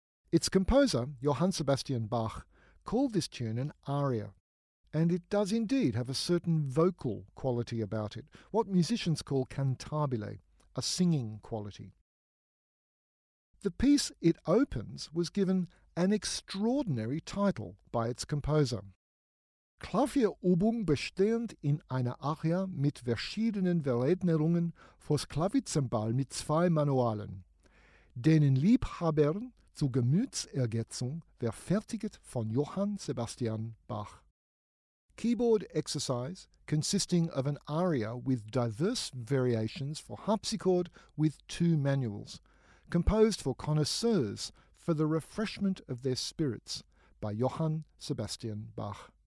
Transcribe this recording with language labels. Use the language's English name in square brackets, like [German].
[English] Its composer, Johann Sebastian Bach, called this tune an aria, and it does indeed have a certain vocal quality about it, what musicians call cantabile, a singing quality. The piece it opens was given an extraordinary title by its composer. [German] Klavierübung bestehend in einer Aria mit verschiedenen Verednerungen fürs Klavizembal mit zwei Manualen, denen Liebhabern zur Gemütsergänzung verfertiget von Johann Sebastian Bach. [English] Keyboard exercise consisting of an aria with diverse variations for harpsichord with two manuals, composed for connoisseurs for the refreshment of their spirits by Johann Sebastian Bach.